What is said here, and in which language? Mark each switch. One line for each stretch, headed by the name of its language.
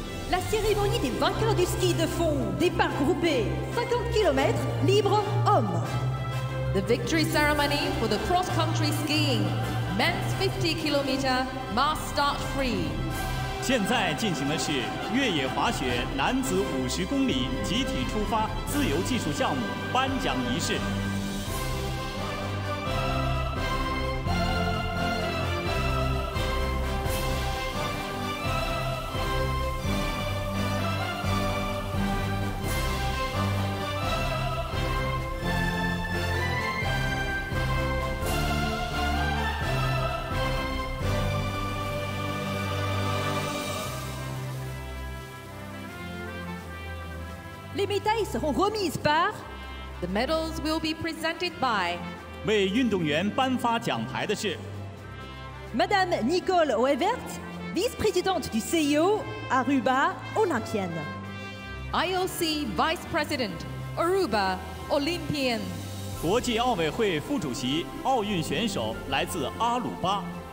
French: La cérémonie des vainqueurs du ski de fond, départ groupé, 50 km, libre homme.
English: The victory ceremony for the cross-country skiing, men's 50 km, mass start free.
Chinese: 现在进行的是越野滑雪男子50公里集体出发自由技术项目颁奖仪式。
French: Les médailles seront remises par
English: The medals will be presented by
Chinese: 为运动员颁发奖牌的是
French: Madame Nicole Oevert, vice-présidente du CIO, Aruba Olympienne.
English: IOC Vice President, Aruba Olympienne.
Chinese: 国际奥委会副主席、奥运选手来自阿鲁巴。